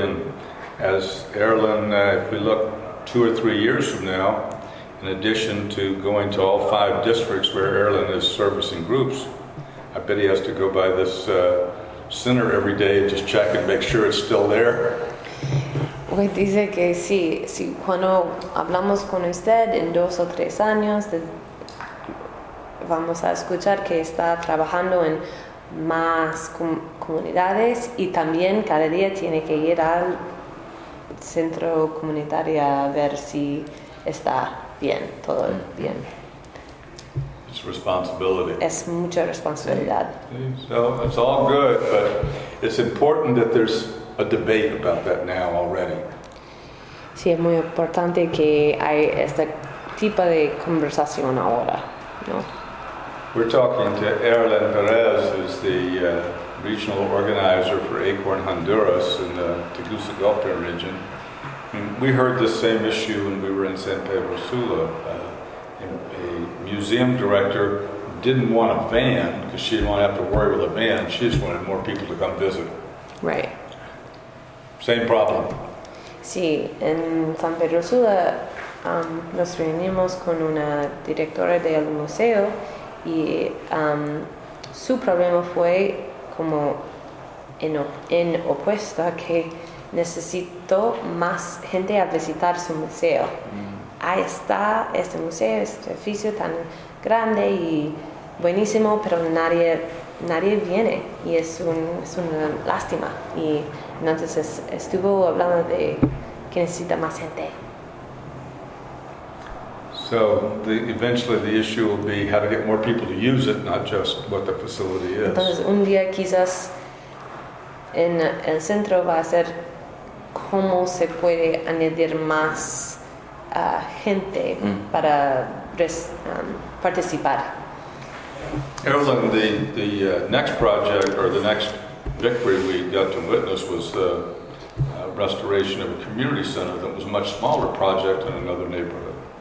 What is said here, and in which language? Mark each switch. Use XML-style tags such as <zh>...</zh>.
<en>And as Erlen, if we look 2 or 3 years from now, in addition to going to all 5 districts where Erlen is servicing groups, I bet he has to go by this center every day and just check and make sure it's still there.</en> <es>Hoy dice que sí, si cuando hablamos con usted en 2 o 3 años, vamos a escuchar que está trabajando en más comunidades, y también cada día tiene que ir al centro comunitario a ver si está bien, todo bien.</es> <en>It's responsibility.</en> <es>Es mucha responsabilidad.</es> <en>So it's all good, but it's important that there's a debate about that now already.</en> <es>Sí, es muy importante que hay este tipo de conversación ahora, ¿no?</es> <en>We're talking to Erlen Perez, who's the regional organizer for Acorn Honduras in the Tegucigalpa region. We heard the same issue when we were in San Pedro Sula. A museum director didn't want a van because she didn't want to have to worry with a van. She just wanted more people to come visit. Right. Same problem.</en> <es>Sí, en San Pedro Sula nos reunimos con una directora del museo y su problema fue como en opuesta que necesitó más gente a visitar su museo. Ahí está este museo, este edificio tan grande y buenísimo, pero nadie viene y es una lástima. Y entonces estuvo hablando de que necesita más gente.</es> <en>So eventually the issue will be how to get more people to use it, not just what the facility is.</en> <es>Entonces un día quizás en el centro va a ser cómo se puede añadir más gente para participar.</es> <en>Carolyn, the next project or the next victory we got to witness was the restoration of a community center that was a much smaller project in another neighborhood.</en>